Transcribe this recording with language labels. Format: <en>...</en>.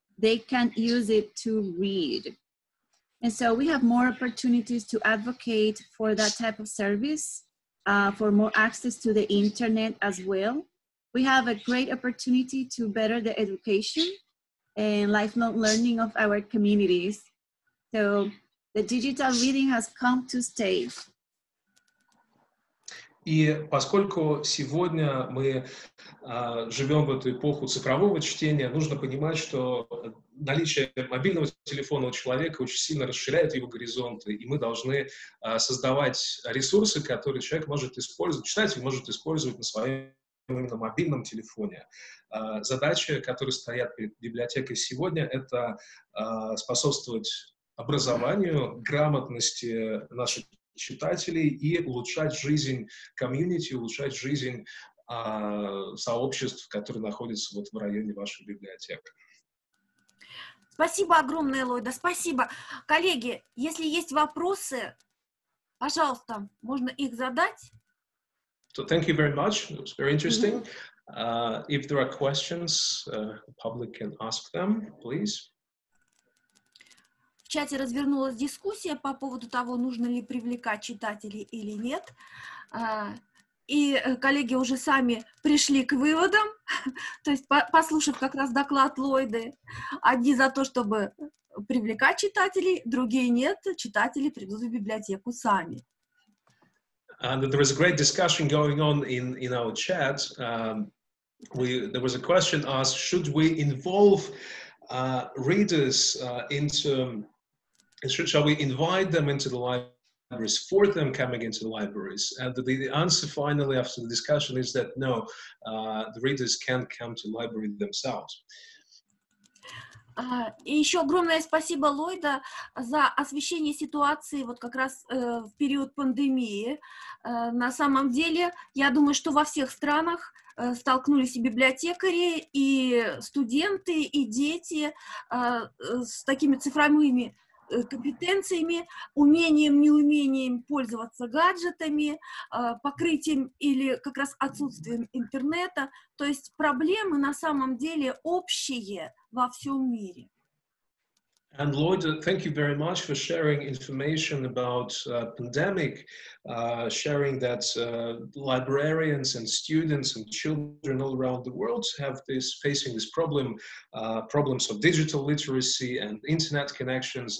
<en>They can use it to read. And so we have more opportunities to advocate for that type of service, for more access to the internet as well. We have a great opportunity to better the education and lifelong learning of our communities. So the digital reading has come to stay.</en> <ru>И поскольку сегодня мы живем в эту эпоху цифрового чтения, нужно понимать, что наличие мобильного телефона у человека очень сильно расширяет его горизонты, и мы должны создавать ресурсы, которые человек может использовать, читатель может использовать на своем именно мобильном телефоне. Задачи, которые стоят перед библиотекой сегодня, это способствовать образованию, грамотности наших читателей и улучшать жизнь комьюнити, улучшать жизнь сообществ, которые находятся вот в районе ваших библиотек. Спасибо огромное, Ллойда, спасибо. Коллеги, если есть вопросы, пожалуйста, можно их задать.</ru> <en>So thank you very much, it was very interesting. If there are questions, the public can ask them, please.</en> <ru>В чате развернулась дискуссия по поводу того, нужно ли привлекать читателей или нет. И коллеги уже сами пришли к выводам, то есть послушав как раз доклад Ллойды. Одни за то, чтобы привлекать читателей, другие нет, читатели придут в библиотеку сами.</ru> <en>And there was a great discussion going on in our chat. There was a question asked, should we involve readers into... Shall we invite them into the libraries, for them coming into the libraries? And the answer finally after the discussion is that no, the readers can come to the library themselves.</en> <ru>И еще огромное спасибо Ллойда за освещение ситуации вот как раз в период пандемии. На самом деле, я думаю, что во всех странах столкнулись и библиотекари, и студенты, и дети с такими цифровыми компетенциями, умением, неумением пользоваться гаджетами, покрытием или как раз отсутствием интернета. То есть проблемы на самом деле общие во всем мире.</ru> <en>And Ллойда, thank you very much for sharing information about pandemic, sharing that librarians and students and children all around the world have this, facing this problem, problems of digital literacy and internet connections.</en>